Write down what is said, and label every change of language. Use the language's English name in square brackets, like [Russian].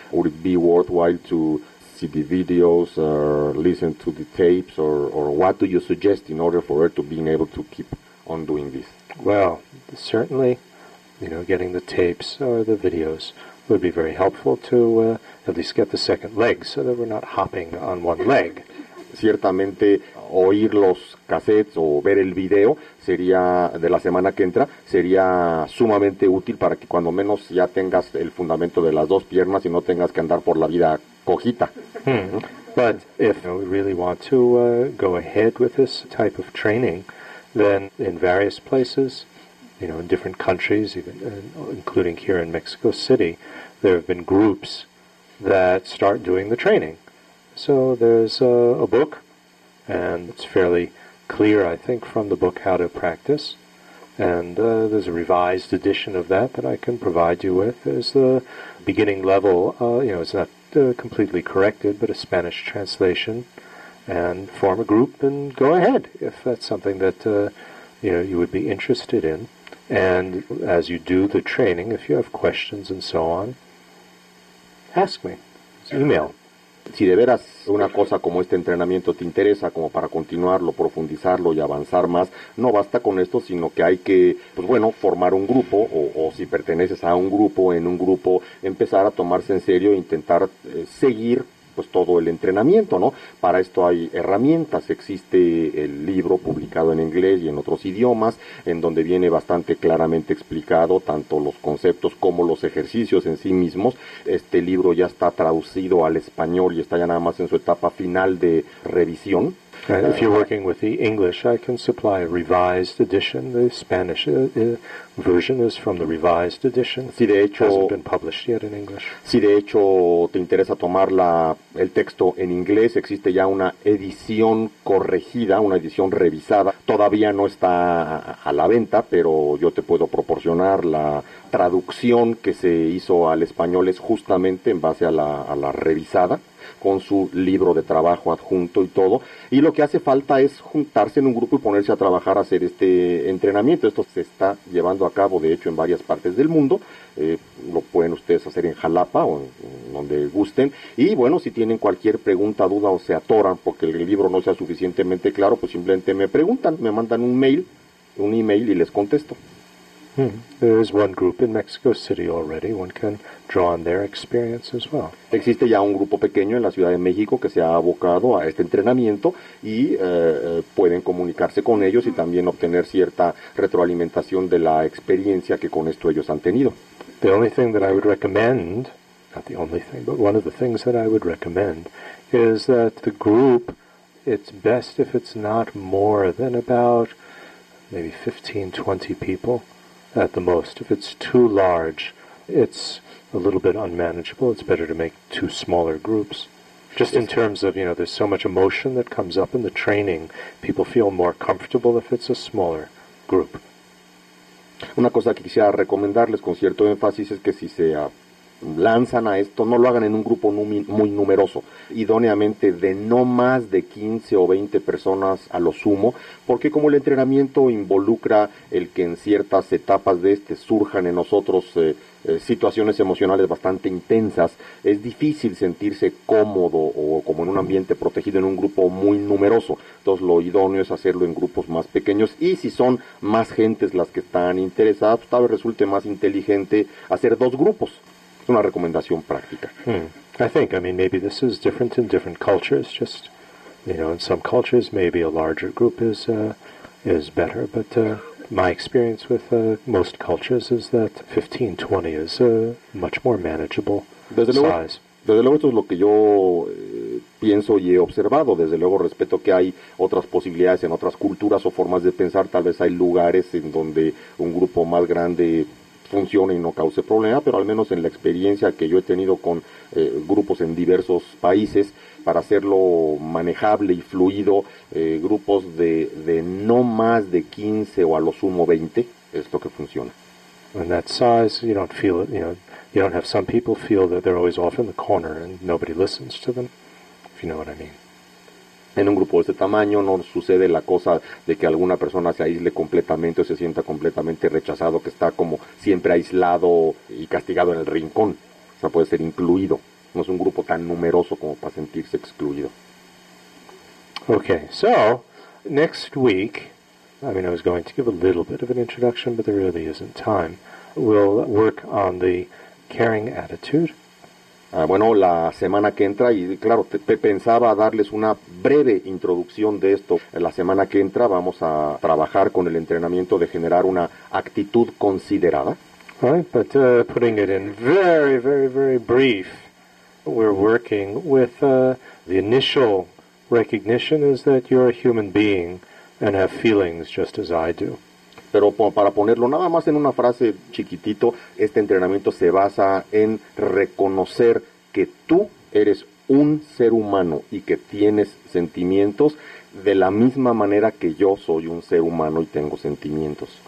[English] Would it be worthwhile to see the videos or listen to the tapes, or what do you suggest in order for her to being able to keep on doing this? Well, certainly, you know, getting the tapes or the videos would be very helpful to at least get the second leg, so that we're not hopping on one leg. [Spanish] Ciertamente, oír los cassettes o ver el video sería de la semana que entra, sería sumamente útil para que cuando menos ya tengas el fundamento de las dos piernas y no tengas que andar por la vida cojita. [English] But if we really want to go ahead with this type of training, then in various places, you know, in different countries, even including here in Mexico City, there have been groups that start doing the training. So there's a book, and it's fairly clear, I think, from the book how to practice. And there's a revised edition of that that I can provide you with. There's the beginning level, you know, it's not completely corrected, but a Spanish translation. And form a group and go ahead if that's something that you know, you would be interested in. And as you do the training, if you have questions and so on, ask me. Email. [Spanish] Si de veras una cosa como este entrenamiento te interesa como para continuarlo, profundizarlo y avanzar más, no basta con esto, sino que hay que, pues bueno, formar un grupo, o si perteneces a un grupo, en un grupo, empezar a tomarse en serio e intentar seguir pues todo el entrenamiento, ¿no? Para esto hay herramientas, existe el libro publicado en inglés y en otros idiomas, en donde viene bastante claramente explicado tanto los conceptos como los ejercicios en sí mismos. Este libro ya está traducido al español y está ya nada más en su etapa final de revisión. [English] If you're working with the English, I can supply a revised edition. The Spanish version is from the revised edition. [Spanish] Si de hecho, [English] hasn't been published yet in English. [Spanish] Si de hecho te interesa tomar el texto en inglés, existe ya una edición corregida, una edición revisada. Todavía no está a la venta, pero yo te puedo proporcionar la traducción que se hizo al español, es justamente en base a la revisada, con su libro de trabajo adjunto y todo, y lo que hace falta es juntarse en un grupo y ponerse a trabajar a hacer este entrenamiento. Esto se está llevando a cabo, de hecho, en varias partes del mundo. Lo pueden ustedes hacer en Jalapa o en donde gusten, y bueno, si tienen cualquier pregunta, duda o se atoran porque el libro no sea suficientemente claro, pues simplemente me preguntan, me mandan un email y les contesto. [English] There is one group in Mexico City already. One can draw on their experience as well. [Spanish] Existe ya un grupo pequeño en la Ciudad de México que se ha abocado a este entrenamiento y pueden comunicarse con ellos y también obtener cierta retroalimentación de la experiencia que con esto ellos han tenido. [English] The only thing that I would recommend, not the only thing, but one of the things that I would recommend, is that the group, it's best if it's not more than about maybe 15, 20 people. At the most, if it's too large, it's a little bit unmanageable. It's better to make two smaller groups. Just in terms of, you know, there's so much emotion that comes up in the training, people feel more comfortable if it's a smaller group. [Spanish] Una cosa que quisiera recomendarles con cierto énfasis es que si se lanzan a esto, no lo hagan en un grupo muy numeroso, idóneamente de no más de 15 o 20 personas a lo sumo, porque como el entrenamiento involucra el que en ciertas etapas de este surjan en nosotros situaciones emocionales bastante intensas, es difícil sentirse cómodo o como en un ambiente protegido en un grupo muy numeroso. Entonces lo idóneo es hacerlo en grupos más pequeños, y si son más gentes las que están interesadas, pues tal vez resulte más inteligente hacer dos grupos. Es una recomendación práctica. [English] Maybe this is different in different cultures. Just, you know, in some cultures maybe a larger group is better, but my experience with most cultures is that 15, 20 is a much more manageable size. [Spanish] Desde luego, esto es lo que yo pienso y he observado. Desde luego, respeto que hay otras posibilidades en otras culturas o formas de pensar. Tal vez hay lugares en donde un grupo más grande funcione y no cause problema, pero al menos en la experiencia que yo he tenido con grupos en diversos países, para hacerlo manejable y fluido, grupos de no más de 15 o a lo sumo 20 es lo que funciona. [English] And that size, you don't feel it, you know, you don't have some people feel that they're always off in the corner and nobody listens to them, if you know what I mean. [Spanish] En un grupo de este tamaño no sucede la cosa de que alguna persona se aísle completamente o se sienta completamente rechazado, que está como siempre aislado y castigado en el rincón. O sea, puede ser incluido. No es un grupo tan numeroso como para sentirse excluido. [English] Okay, so, next week, I mean, I was going to give a little bit of an introduction, but there really isn't time. We'll work on the caring attitude. [Spanish] Bueno, la semana que entra, y claro, pensaba darles una breve introducción de esto. La semana que entra vamos a trabajar con el entrenamiento de generar una actitud considerada. [English] Right, but putting it in very, very, very brief, we're working with the initial recognition is that you're a human being and have feelings just as I do. [Spanish] Pero para ponerlo nada más en una frase chiquitito, este entrenamiento se basa en reconocer que tú eres un ser humano y que tienes sentimientos de la misma manera que yo soy un ser humano y tengo sentimientos.